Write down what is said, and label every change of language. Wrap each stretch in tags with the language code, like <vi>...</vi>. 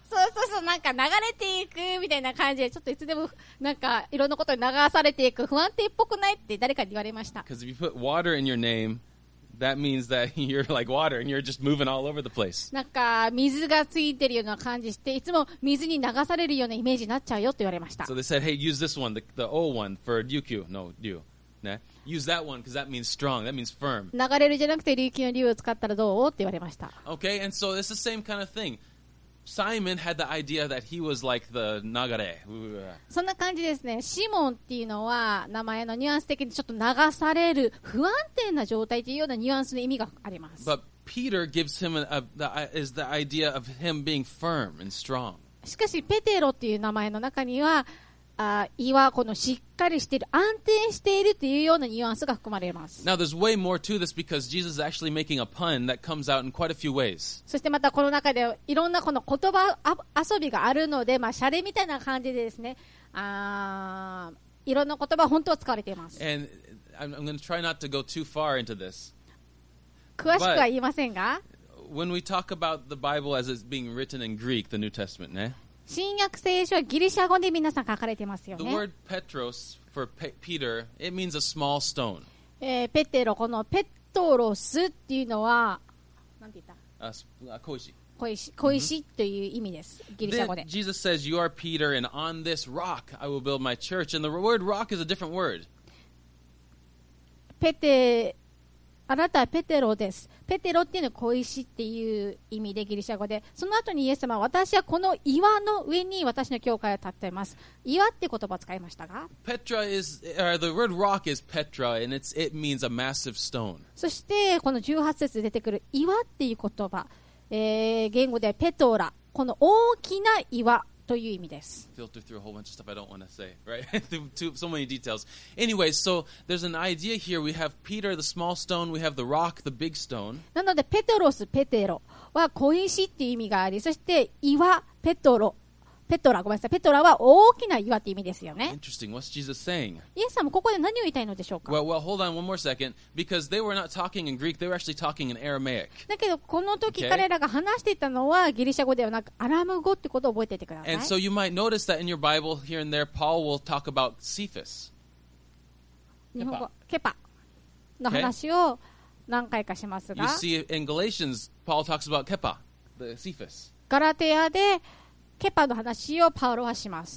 <ja>そうそうそう、なんか流れていくみたいな感じで、ちょっといつでもなんかいろんなことに流されていく、不安定っぽくないって誰かに言われました。</ja> <en>Because if you put water in your name, that means that you're like water and you're just moving all over the place.</en> <ja>なんか水がついてるような感じして、いつも水に流されるようなイメージになっちゃうよって言われました。</ja> <en>So they said, hey, use this one, the old one for Ryukyu. No, Ryu.</en> <ja>ね、</ja> <en>use that one because that means strong. That means firm.</en> <ja>流れるじゃなくて琉球の竜を使ったらどうって言われました。</ja> <en>Okay, and so it's the same kind of thing. Simon had the idea that he was like the</en> <ja>流れ。そんな感じですね。シモンっていうのは名前のニュアンス的にちょっと流される不安定な状態というようなニュアンスの意味があります。</ja> <en>But Peter gives him is the idea of him being firm and strong.</en> <ja>しかしペテロっていう名前の中には。岩このしっかりしている安定しているというようなニュアンスが含まれます。</ja> <en>Now there's way more to this because Jesus is actually making a pun that comes out in quite a few ways.</en> <ja>そしてまたこの中でいろんなこの言葉遊びがあるので、まあシャレみたいな感じでですね、いろんな言葉本当は使われています。</ja> <en>And I'm going to try not to go too far into this.</en> <ja>詳しくは言いませんが、</ja> <en>when we talk about the Bible as it's being written in Greek, the New Testament,</en> <ja>ね。新約聖書はギリシャ語で皆さん書かれてますよね。</ja> <en>The word Petros for Peter, it means a small stone.</en> <ja>ペテロ、このペトロスっていうのは、なんて言った？小石。小石という意味です。ギリシャ語で。</ja> <en>Jesus says, "You are Peter, and on this rock I will build my church." And the word rock is a different word.</en> <ja>ペテ、あなたはペテロです。ペテロっていうのは小石っていう意味でギリシャ語で、その後にイエス様は私はこの岩の上に私の教会を建てます。岩って言葉を使いましたが、</ja> <en>Petra is, the word rock is Petra, and it means a massive stone.</en> <ja>そしてこの18節で出てくる岩っていう言葉、言語でペトラ、この大きな岩という意味です。</ja> <en>Filter through a whole bunch of stuff I don't want to say, right? Too, so many details. Anyway, so there's an idea here. We have Peter, the small stone. We have the rock, the big stone.</en> <ja>なので、ペテロス、ペテロは小石っていう意味があり、そして岩、ペトロ、ペトラ、ごめんなさい、ペトラは大きな岩っていう意味ですよね。</ja> <en>Interesting. What's Jesus saying?</en> <ja>イエス様もここで何を言いたいのでしょうか。</ja> <en>Well, hold on one more second. Because they were not talking in Greek. They were actually talking in Aramaic.</en> <ja>だけどこの時彼らが話していたのはギリシャ語ではなくアラム語ってことを覚えていてください。</ja> <en>And so you might notice that in your Bible here and there, Paul will talk about Cephas.</en> <ja>日本語、ケパの話を何回かしますが。</ja> <en>You see in Galatians, Paul talks about Kepa, the Cephas.</en> <ja>ガラテヤでケパの話をパウロはします。</ja>